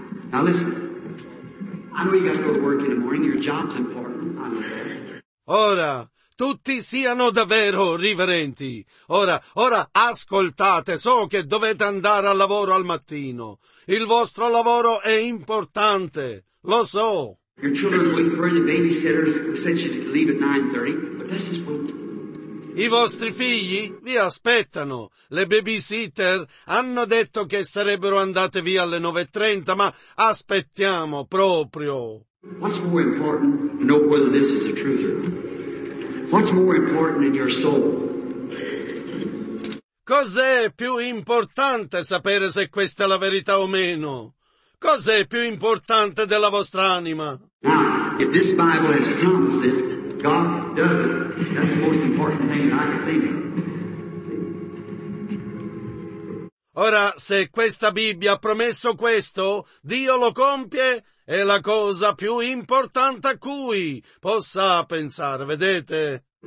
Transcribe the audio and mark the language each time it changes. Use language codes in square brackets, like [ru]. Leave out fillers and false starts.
[en] Now listen. I know you got to go to work in the morning. Your job's important. [it] Ora, tutti siano davvero riverenti. Ora ascoltate. So che dovete andare al lavoro al mattino. Il vostro lavoro è importante. Lo so. [en] Your children are waiting for the babysitters who said you to leave at 9:30, but this is [it] I vostri figli vi aspettano. Le babysitter hanno detto che sarebbero andate via alle 9:30, ma aspettiamo proprio. [en] What's more important to know whether this is the truth or not? What's more important in your soul? [it] Cos'è più importante sapere se questa è la verità o meno? Cos'è più importante della vostra anima? [en] Now, if this Bible has promised this, God does it. That's the most important thing I can think of. See? [it] Ora, se questa Bibbia ha promesso questo, Dio lo compie, è la cosa più importante a cui possa pensare, vedete?